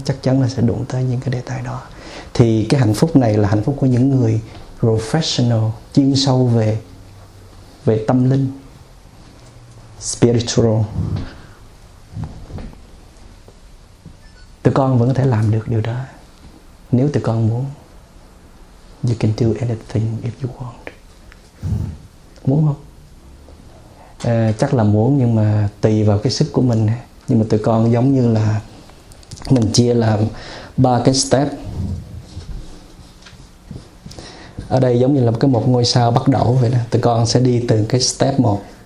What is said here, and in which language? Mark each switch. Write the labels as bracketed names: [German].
[Vietnamese] Chắc chắn là sẽ đụng tới những cái đề tài đó. Thì cái hạnh phúc này là hạnh phúc của những người professional, chuyên sâu về về tâm linh, spiritual. Tụi con vẫn có thể làm được điều đó nếu tụi con muốn. [English] You can do anything if you want. [Vietnamese] Muốn không? À, chắc là muốn, nhưng mà tùy vào cái sức của mình. Nhưng mà tụi con giống như là mình chia làm ba cái step. Ở đây giống như là cái một ngôi sao bắt đầu vậy đó. Tụi con sẽ đi từ cái step 1.